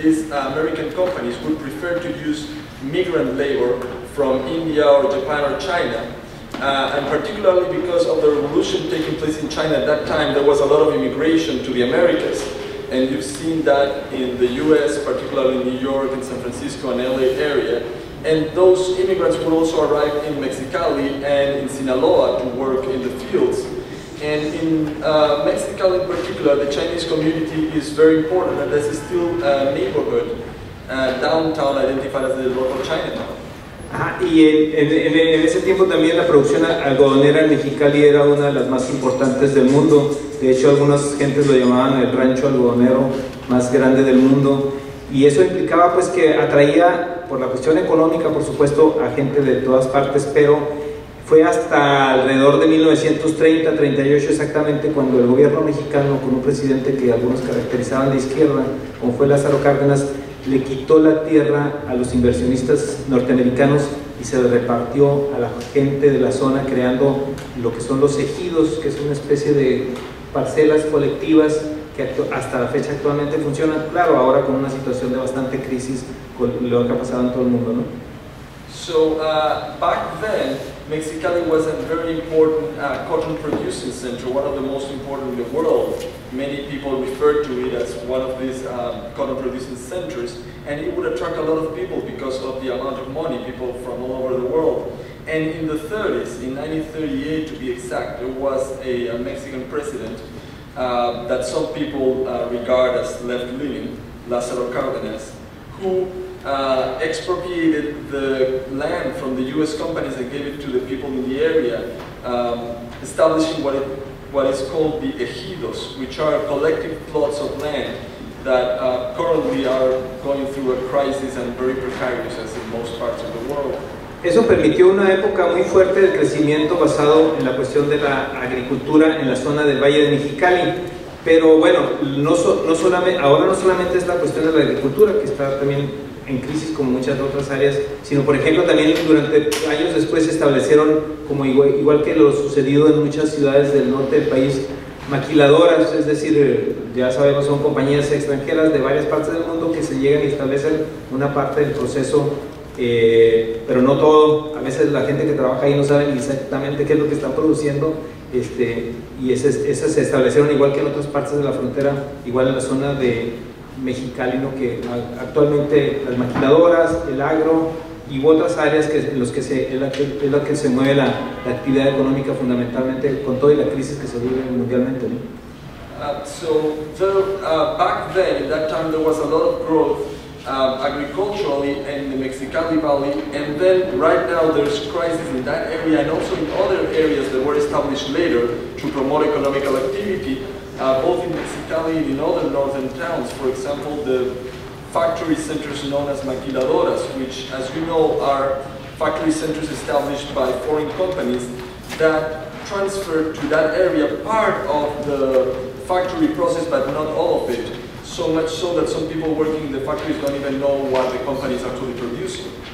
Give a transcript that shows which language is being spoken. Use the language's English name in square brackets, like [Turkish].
[English] American companies would prefer to use migrant labor from India or Japan or China, and particularly because of the revolution taking place in China at that time, there was a lot of immigration to the Americas, and you've seen that in the US, particularly in New York and San Francisco and LA area, and those immigrants would also arrive in Mexicali and in Sinaloa to work in the fields. And in Mexicali in particular, the Chinese community is very important, and there's still a neighborhood downtown identified as the local Chinatown. [Spanish] Y en ese tiempo también la producción algodonera en Mexicali era una de las más importantes del mundo. De hecho, algunas gentes lo llamaban el rancho algodonero más grande del mundo. Y eso implicaba pues que atraía, por la cuestión económica, por supuesto, a gente de todas partes, pero fue hasta alrededor de 1930-38 exactamente cuando el gobierno mexicano, con un presidente que algunos caracterizaban de izquierda, como fue Lázaro Cárdenas, le quitó la tierra a los inversionistas norteamericanos y se le repartió a la gente de la zona, creando lo que son los ejidos, que es una especie de parcelas colectivas que hasta la fecha actualmente funcionan, claro, ahora con una situación de bastante crisis con lo que ha pasado en todo el mundo, ¿no? [English] So, back then, Mexicali was a very important cotton producing center, one of the most important in the world. Many people refer to it as one of these cotton producing centers, and it would attract a lot of people because of the amount of money, people from all over the world. And in the 30s, in 1938 to be exact, there was a Mexican president that some people regard as left-leaning, Lázaro Cárdenas, who expropriated the land from the U.S. companies and gave it to the people in the area, establishing what is called the ejidos, which are collective plots of land that currently are going through a crisis and very precarious as in most parts of the world. [Spanish] Eso permitió una época muy fuerte de crecimiento basado en la cuestión de la agricultura en la zona del Valle de Mexicali. Pero bueno, no solamente es la cuestión de la agricultura que está también en crisis como muchas otras áreas, sino por ejemplo también durante años después se establecieron, como igual que lo sucedido en muchas ciudades del norte del país, maquiladoras, es decir, ya sabemos, son compañías extranjeras de varias partes del mundo que se llegan y establecen una parte del proceso, pero no todo. A veces la gente que trabaja ahí no sabe exactamente qué es lo que están produciendo, y esas se establecieron igual que en otras partes de la frontera, igual en la zona de Mexicali, ¿no? Que actualmente las maquiladoras, el agro y otras áreas que, en las que se mueve la actividad económica fundamentalmente con toda la crisis que se vive mundialmente, ¿no? [English] Back then, in that time, there was a lot of growth agriculturally in the Mexicali Valley, and then right now there's crisis in that area and also in other areas that were established later to promote economical activity. Both in Mexicali and in other northern towns, for example, the factory centers known as maquiladoras, which, as you know, are factory centers established by foreign companies that transfer to that area part of the factory process, but not all of it, so much so that some people working in the factories don't even know what the company is actually producing.